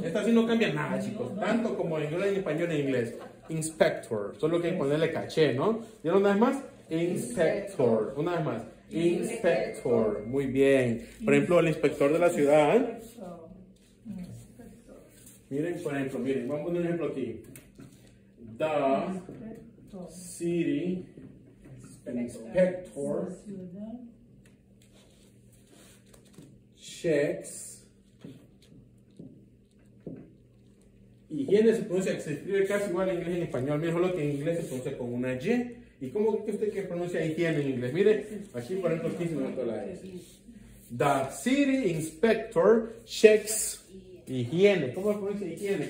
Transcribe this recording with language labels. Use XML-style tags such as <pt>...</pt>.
<es>Esta sí no cambia nada, chicos. Tanto como en inglés, en español e inglés. Inspector. Solo que ponerle caché, ¿no? Dígalo una vez más. Inspector. Una vez más. Inspector, muy bien. Por ejemplo, el inspector de la ciudad. Miren, por ejemplo, miren, vamos a poner un ejemplo aquí.</es> <en>The city inspector checks.</en> <es>Higiene se pronuncia, se escribe casi igual en inglés y en español, miren, solo que en inglés se pronuncia con una Y. ¿Y cómo cree usted que pronuncia higiene en inglés? Mire, aquí por ejemplo, aquí se me nota la S.</es> <en>The city inspector checks</en> <es>higiene. ¿Cómo pronuncia higiene?</es>